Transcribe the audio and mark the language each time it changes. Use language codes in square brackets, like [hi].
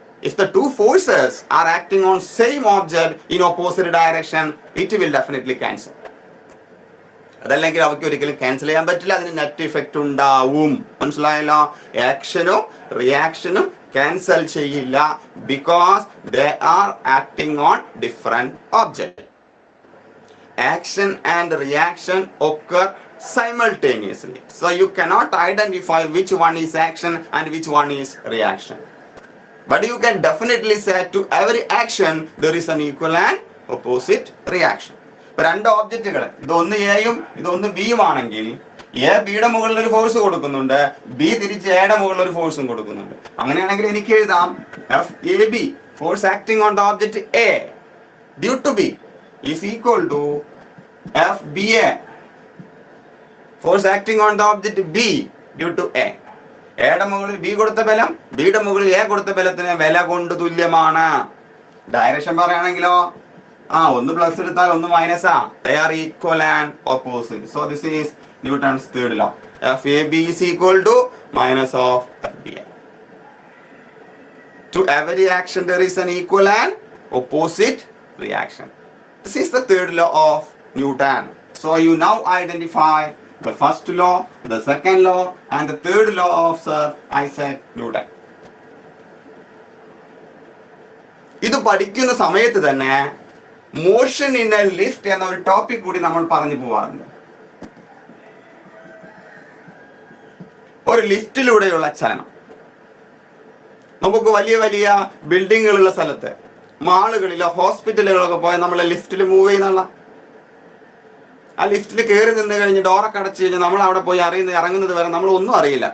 [en] If the two forces are acting on same object in opposite direction, it will definitely cancel. [ml] അതല്ലെങ്കിൽ അവയ്ക്ക് ഒരിക്കലും cancel ചെയ്യാൻ പറ്റില്ല, അതിന് നെറ്റ് ഇഫക്റ്റ് ഉണ്ടാവും. മനസ്സിലായല്ലോ? ആക്ഷനും റിയാക്ഷനും ക്യാൻസൽ ചെയ്യില്ല, [en] Because they are acting on different object. Action and reaction occur simultaneously, so you cannot identify which one is action and which one is reaction, but you can definitely say to every action there is an equal and opposite reaction. [ml] രണ്ട് ഒബ്ജക്റ്റുകൾ, ഇത് ഒന്ന് A യും ഇത് ഒന്ന് B യും ആണെങ്കിൽ, A ബിയുടെ മുകളിൽ ഒരു ഫോഴ്സ് കൊടുക്കുന്നുണ്ട്, ബി തിരിച്ച് എയുടെ മുകളിൽ ഒരു ഫോഴ്സും കൊടുക്കുന്നുണ്ട്. അങ്ങനെയാണെങ്കിൽ എനിക്ക് എഴുതാം [en] F A B force acting on the object A due to B is equal to F B A force acting on the object B due to A. [ml] എയുടെ മുകളിൽ ബി കൊടുത്ത ബലം ബിയുടെ മുകളിൽ എ കൊടുത്ത ബലത്തിന് വില കൊണ്ട് തുല്യമാണ്. ഡയറക്ഷൻ പറയുകയാണെങ്കിലോ, ആ ഒന്ന് പ്ലസ് എടുത്താൽ ഒന്ന് മൈനസ് ആ, [en] They are equal and opposite. So this is Newton's third law, F A B is equal to minus of F B A. To every action there is an equal and opposite reaction. This is the third law of Newton. So you now identify the first law, the second law and the third law of Sir Isaac Newton. [ml] ഇത് പഠിക്കുന്ന സമയത്ത് തന്നെ motion in A lift എന്ന ഒരു topic കൂടി നമ്മൾ പറഞ്ഞു പോവാറുണ്ട്. ഒരു ലിഫ്റ്റിലൂടെയുള്ള ചലനം, നമുക്ക് വലിയ വലിയ ബിൽഡിങ്ങുകളുള്ള സ്ഥലത്ത്, മാളുകളിലോ ഹോസ്പിറ്റലുകളിലൊക്കെ പോയാൽ നമ്മൾ ലിഫ്റ്റിൽ മൂവ് ചെയ്യുന്നുള്ള ആ ലിഫ്റ്റിൽ കയറി നിന്ന് കഴിഞ്ഞ് ഡോറൊക്കെ അടച്ച് കഴിഞ്ഞാൽ നമ്മൾ അവിടെ പോയി അറിയുന്ന ഇറങ്ങുന്നത് വരെ നമ്മളൊന്നും അറിയില്ല.